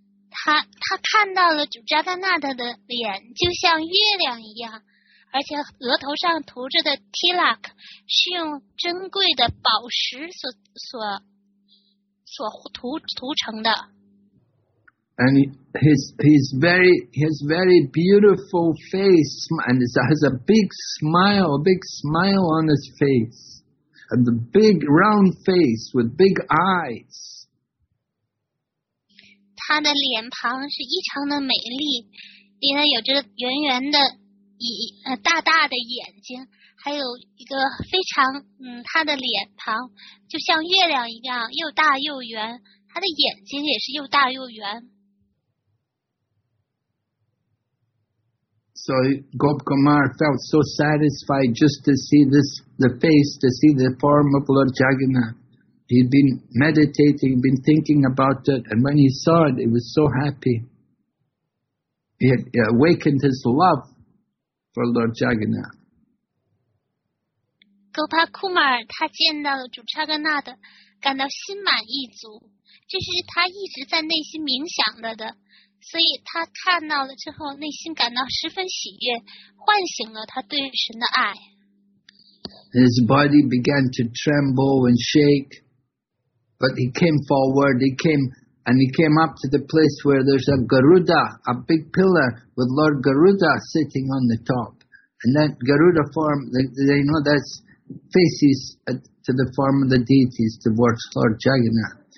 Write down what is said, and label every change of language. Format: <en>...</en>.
<zh>他看到了主扎达纳特的脸就像月亮一样，而且额头上涂着的 Tilak 是用珍贵的宝石所涂成的。</zh> <en>And his very beautiful face, and has a big smile, on his face, and the big round face with big eyes.</en> <zh>他的脸庞是异常的美丽，因为有着圆圆的大大的眼睛，还有一个非常他的脸庞就像月亮一样又大又圆，他的眼睛也是又大又圆。</zh> <en>So Gop Kumar felt so satisfied just to see this, the face, to see the form of Lord Jagannath. He'd been meditating, been thinking about it, and when he saw it, he was so happy. He had awakened his love for Lord Jagannath.</en> <zh>Gop Kumar, 他见到了主查格纳的，感到心满意足，这是他一直在内心冥想着的。所以他看到了之后，内心感到十分喜悦，唤醒了他对神的爱。</zh> <en>His body began to tremble and shake, but he came forward. He came up to the place where there's a Garuda, a big pillar with Lord Garuda sitting on the top. And that Garuda form, they know that's faces to the form of the deities towards Lord Jagannath.</en>